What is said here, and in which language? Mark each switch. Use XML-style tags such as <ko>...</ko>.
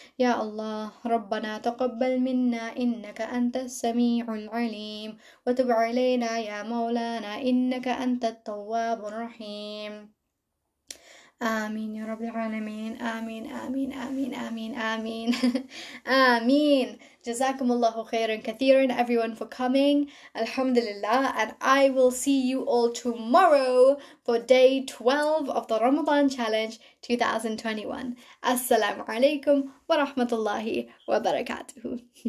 <ar>يا الله، ربنا تقبل منا إنك أنت السميع العليم، وتب علينا يا مولانا إنك أنت التواب الرحيم. آمين يا رب العالمين. آمين آمين آمين آمين آمين آمين. جزاكم الله خيرا كثيرا</ar> <en>everyone for coming.</en> <ar>الحمد لله.</ar> <en>And I will see you all tomorrow for day 12 of the Ramadan Challenge 2021.</en> <ar>السلام عليكم ورحمة الله وبركاته.</ar>